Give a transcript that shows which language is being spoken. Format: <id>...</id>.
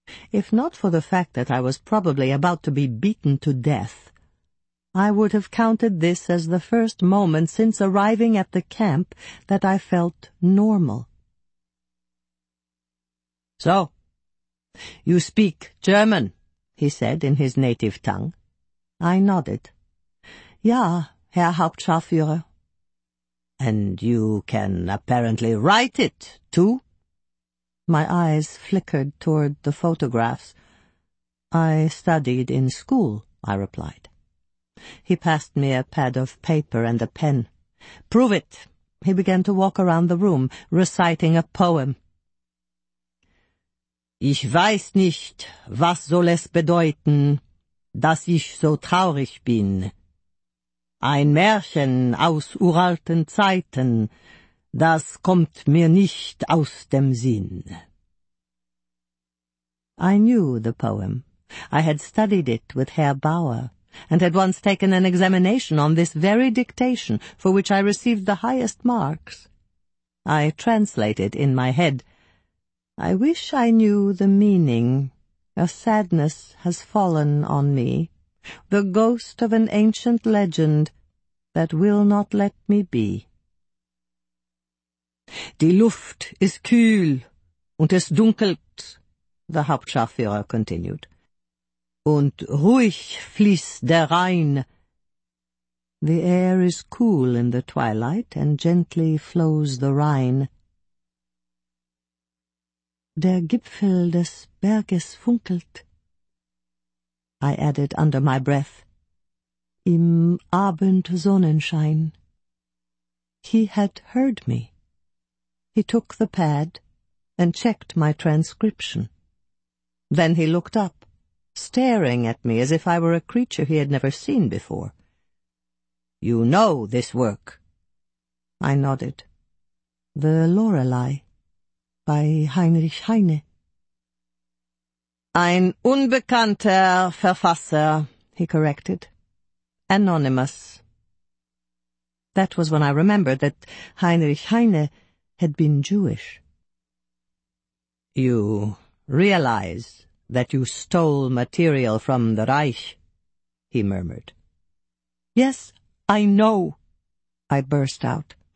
<en>If not for the fact that I was probably about to be beaten to death, I would have counted this as the first moment since arriving at the camp that I felt normal. So, you speak German, he said in his native tongue. I nodded.</en> <de>Ja, Herr Hauptscharführer.</de> <en>And you can apparently write it, too? My eyes flickered toward the photographs. I studied in school, I replied. He passed me a pad of paper and a pen. Prove it. He began to walk around the room, reciting a poem.</en> <de>Ich weiß nicht, was soll es bedeuten, dass ich so traurig bin. Ein Märchen aus uralten Zeiten, das kommt mir nicht aus dem Sinn.</de> <en>I knew the poem. I had studied it with Herr Bauer, and had once taken an examination on this very dictation, for which I received the highest marks. I translated in my head. I wish I knew the meaning. A sadness has fallen on me. The ghost of an ancient legend that will not let me be.</en> <de>Die Luft ist kühl und es dunkelt,</de> <en>the Hauptscharführer continued.</en> <de>Und ruhig fließt der Rhein.</de> <en>The air is cool in the twilight and gently flows the Rhine.</en> <de>Der Gipfel des Berges funkelt,</de> <en>I added under my breath,</en> <de>im Abendsonnenschein.</de> <en>He had heard me. He took the pad and checked my transcription. Then he looked up, staring at me as if I were a creature he had never seen before. You know this work? I nodded. The Lorelei. By Heinrich Heine.</en> <de>Ein unbekannter Verfasser,</de> <en>he corrected. Anonymous. That was when I remembered that Heinrich Heine had been Jewish. You realize that you stole material from the Reich, he murmured. Yes, I know, I burst out.</en>